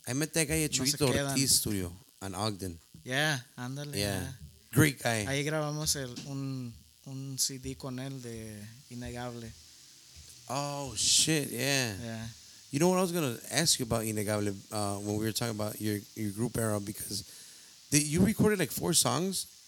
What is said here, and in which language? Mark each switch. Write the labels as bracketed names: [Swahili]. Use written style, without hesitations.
[English] I met that guy at Chuito Ortiz Studio in Ogden. Yeah, ándale. Yeah. Great guy. [Spanish] Ahí grabamos un CD con él de Innegable. [English] Oh, shit, yeah. Yeah. You know what I was going to ask you about Innegable when we were talking about your group era, because you recorded like 4 songs?